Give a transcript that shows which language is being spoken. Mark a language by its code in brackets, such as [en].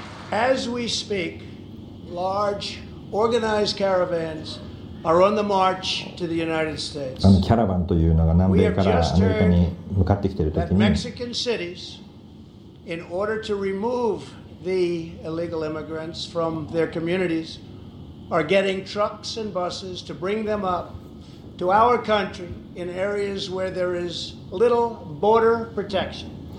[en] As we speak, large organized caravansAre on the march to the United States. [ja] あのキャラバンというのが南米からアメリカに向かってきているときに、 [en] Mexican cities, in order to remove the illegal immigrants from their communities, are getting trucks and buses to bring them up to our country in areas where there is little border protection.